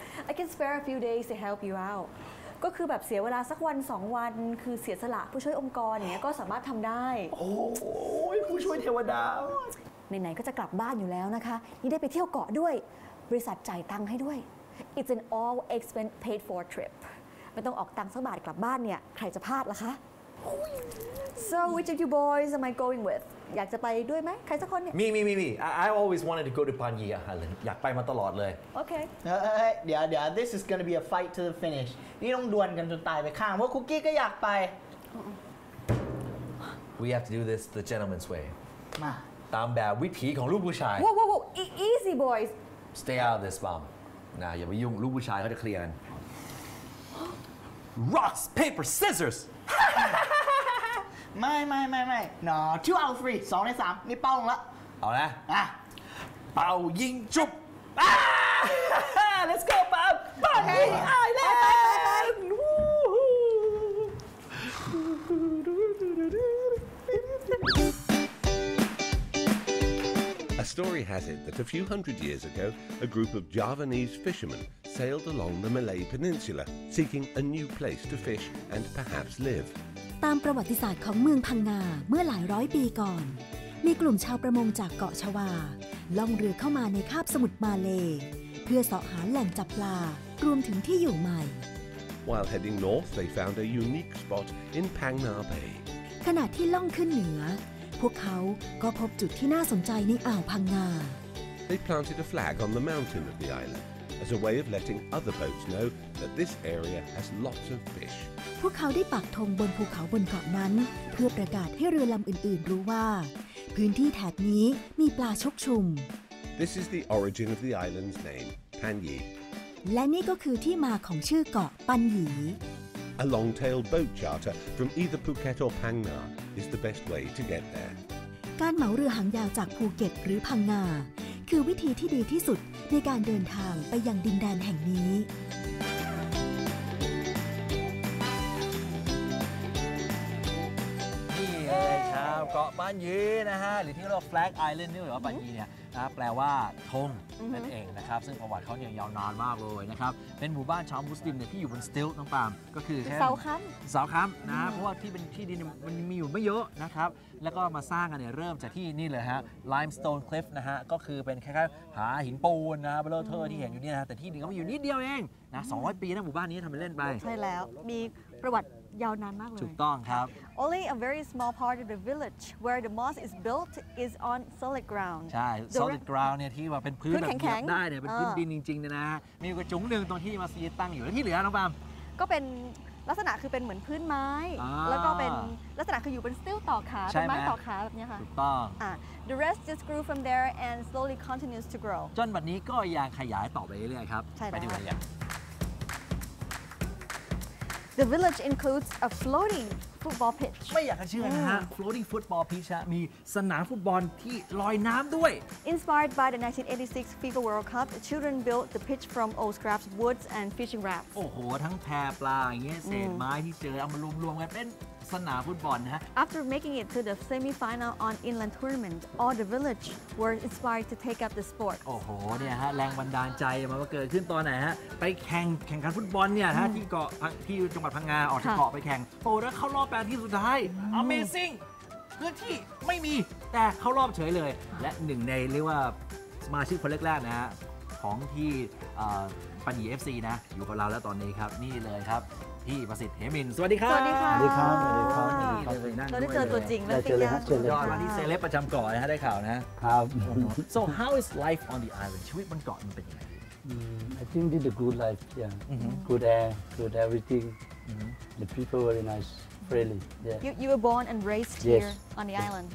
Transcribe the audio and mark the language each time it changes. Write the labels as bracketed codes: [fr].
[en] I can spare a few days to help you out. [th] ก็คือแบบเสียเวลาสักวันสองวันคือเสียสละผู้ช่วยองค์กรเนี่ยก็สามารถทำได้โอ้ผู้ช่วยเทวดา ไหนๆก็จะกลับบ้านอยู่แล้วนะคะยังได้ไปเที่ยวเกาะด้วยบริษัทจ่ายตังค์ให้ด้วย [en] It's an all expense paid for trip. [th] ไม่ต้องออกตังค์สักบาทกลับบ้านเนี่ยใครจะพลาดล่ะคะ [en] So which of you boys am I going with? [th] อยากจะไปด้วยไหมใครสักคนเนี่ย มีมี [en] I always wanted to go to Pangea Island [th] อยากไปมาตลอดเลย โอเค เดี๋ยวเดี๋ยว [en] this is gonna be a fight to the finish [th] นี่ต้องดวลกันจนตายไปข้างเพราะคุกกี้ก็อยากไป [en] We have to do this the gentleman's way [th] มา ตามแบบวิถีของลูกผู้ชาย [en] whoa easy boys stay out of this bomb [th] นะอย่าไปยุ่งลูกผู้ชายเขาจะเคลียร์กัน [en] rocks paper scissors [th] ไม่ [en] no two out three [th] 2ใน3นี่เป้าลงละ เอานะ อ่ ะ เป่ายิงจุ๊บ [en] let's go bomb bomb hey island A story has it that a few hundred years ago, a group of Javanese fishermen sailed along the Malay Peninsula, seeking a new place to fish and perhaps live. [th] ตามประวัติศาสตร์ของเมืองพังงาเมื่อหลายร้อยปีก่อนมีกลุ่มชาวประมงจากเกาะชวาล่องเรือเข้ามาในคาบสมุทรมาเลเพื่อเสาะหาแหล่งจับปลารวมถึงที่อยู่ใหม่ [en] While heading north, they found a unique spot in Phang Nga Bay. [th] ขณะที่ล่องขึ้นเหนือพวกเขาก็พบจุดที่น่าสนใจในอ่าวพังงา [en] They planted a flag on the mountain of the island as a way of letting other boats know that this area has lots of fish [th] พวกเขาได้ปักธงบนภูเขาบนเกาะนั้นเพื่อประกาศให้เรือลำอื่นๆรู้ว่าพื้นที่แถบนี้มีปลาชกชุม [en] This is the origin of the island's name Panyi [th] และนี่ก็คือที่มาของชื่อเกาะปันหยี [en] A long-tailed boat charter from either Phuket or Phang Nga is the best way to get there. [th] การเหมาเรือหางยาวจากภูเก็ตหรือพังงาคือวิธีที่ดีที่สุดในการเดินทางไปยังดินแดนแห่งนี้นี่เลยครับเกาะปันหยีนะฮะหรือที่เราแฟลกไอแลนด์นี่หรือว่าปันหยีเนี่ยแปลว่าธงนั่นเองนะครับซึ่งประวัติเขาเนี่ยยาวนานมากเลยนะครับเป็นหมู่บ้านชาวมุสลิมเนี่ยที่อยู่บนสติลต้องปามก็คือ แค่เสาค้ำ เสาค้ำนะเพราะว่าที่เป็นที่ดินมันมีอยู่ไม่เยอะนะครับแล้วก็มาสร้างกันเนี่ยเริ่มจากที่นี่เลยฮะไลม์สโตนคลิฟนะฮะก็คือเป็นคล้ายๆหาหินปูนนะเบลเทอร์ที่เห็นอยู่นี่นะแต่ที่ดินเขามีอยู่นิดเดียวเองนะ200ปีนะหมู่บ้านนี้ทำไปเล่นไป ใช่แล้วมีประวัติยาวนานมากเลย ถูกต้องครับ [en] Only a very small part of the village where the mosque is built is on solid ground [th] ใช่ solid ground เนี่ยที่ว่าเป็นพื้ นแข็ง แข็งได้เนี่ยเป็นพื้นดินจริงๆนะฮะมีกระจุงนึงตรงที่มาซีตั้งอยู่แล้วที่เหลือน้องปาม ก็เป็นลักษณะคือเป็นเหมือนพื้นไม้แล้วก็เป็นลักษณะคืออยู่เป็นสติลต่อขาเป็นไม้ต่อขาแบบนี้ค่ะ ถูกต้อง [en] The rest just grew from there and slowly continues to grow [th] จนวันนี้ก็ยังขยายต่อไปเรื่อยๆครับไปดู กัน เล [en] ยThe village includes a floating football pitch. [th] ไม่อยากเชื่อนะฮะ [en] floating football pitch [th] มีสนามฟุตบอลที่ลอยน้ำด้วย [en] Inspired by the 1986 FIFA World Cup, the children built the pitch from old scraps, woods, and fishing rafts. [th] โอ้โหทั้งแพปลาอย่างเงี้ยเศษไม้ที่เจอเอามารวมๆกันเป็นสนามฟุตบอลนะฮะ [en] After making it to the semi-final on inland tournament, all the village were inspired to take up the sport. [th] โอ้โหเนี่ยฮะแรงบันดาลใจมันมาเกิดขึ้นตอนไหนฮะไปแข่งขันฟุตบอลเนี่ยฮะที่เกาะที่จังหวัดพังงาออกจากเกาะไปแข่งโอ้แล้วเข้ารอบแปดที่สุดท้าย Amazing พื้นที่ไม่มีแต่เข้ารอบเฉยเลยและหนึ่งในเรียกว่าสมาชิกคนแรกๆนะฮะของที่ปันหยี FC นะอยู่กับเราแล้วตอนนี้ครับนี่เลยครับพี่ประสิทธิ์เฮมินสวัสดีครับ สวัสดีค่ะ สวั สดีครับ สวัสดี ครับ นี่ เลยนั่ ง เราได้ เจอตัวจริงแล้ว พี่ยอดมาที่เซเลบประจำเกาะนะฮะได้ข่าวนะ ครับ [en] so how is life on the island [th] ชีวิตบนเกาะมันเป็นยังไง [en] I think it's a good life yeah good air good everything the people very nice friendly yeah you were born and raised here on the island